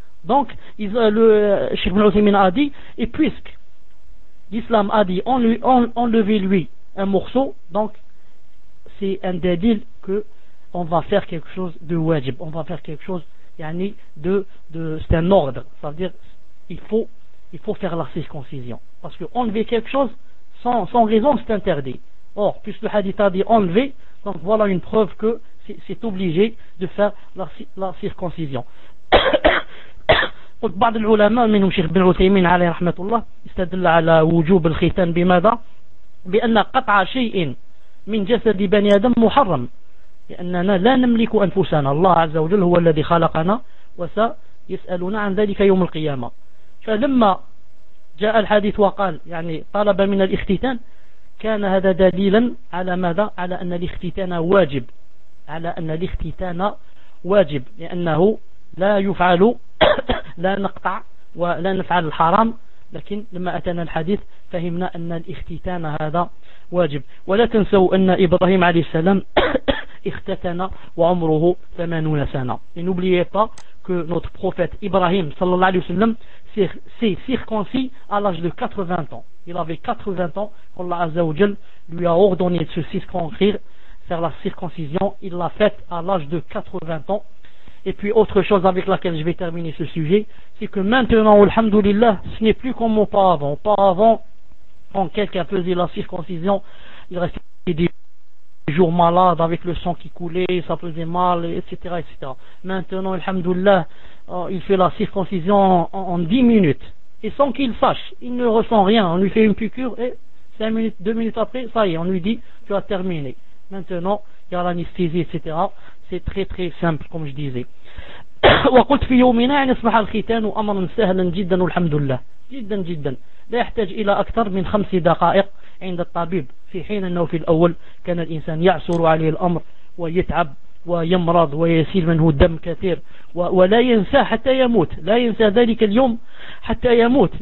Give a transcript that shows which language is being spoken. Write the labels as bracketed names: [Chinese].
[French] Donc Cheikh Ibn Uthaymeen a dit, et puisque l'islam a dit enlever lui un morceau, donc c'est un dédil que on va faire quelque chose de wajib, on va faire quelque chose yani de c'est un ordre, ça veut dire il faut faire la circoncision, parce que enlever quelque chose sans raison, c'est interdit. Or puisque le hadith a dit enlever, donc voilà une preuve que c'est obligé de faire la circoncision. [Arabic] قلت بعض العلماء منهم شيخ بن عثيمين عليه رحمة الله استدل على وجوب الختان بماذا؟ بأن قطع شيء من جسد بني آدم محرم، لأننا لا نملك أنفسنا، الله عز وجل هو الذي خلقنا وسيسألنا عن ذلك يوم القيامة. فلما جاء الحديث وقال يعني طلب من الاختتان، كان هذا دليلا على ماذا؟ على أن الاختتان واجب، على أن الاختتان واجب، لأنه لا يفعل لا نقطع ولا نفعل الحرام، لكن لما أتانا الحديث فهمنا أن الاختتان هذا واجب. ولا تنسوا أن إبراهيم عليه السلام اختتن وعمره 80 سنة. [French] Et n'oubliez pas que notre prophète Ibrahim صلى الله عليه وسلم s'est circoncis à l'âge de 80 ans. Il avait 80 ans quand Allah Azza wa Jal lui a ordonné de se circoncire, faire la circoncision. Il l'a faite à l'âge de 80 ans. Et puis autre chose avec laquelle je vais terminer ce sujet, c'est que maintenant, alhamdoulilah, ce n'est plus comme auparavant. Auparavant, quand quelqu'un faisait la circoncision, il restait des jours malades avec le sang qui coulait, ça faisait mal, etc., etc. Maintenant, alhamdoulilah, il fait la circoncision en 10 minutes. Et sans qu'il sache, il ne ressent rien. On lui fait une piqûre et 5 minutes, 2 minutes après, ça y est, on lui dit, tu as terminé. Maintenant, il y a l'anesthésie, etc. C'est très très simple comme je disais. [Arabic] وقلت في يومنا ان اصبح الختان امرا سهلا جدا والحمد لله جدا جدا لا يحتاج الى اكثر من 5 دقائق عند الطبيب، في حين انه في الاول كان الانسان يعسر عليه الامر ويتعب ويمرض ويسيل منه الدم كثير ولا ينسى حتى يموت، لا ينسى ذلك اليوم حتى يموت.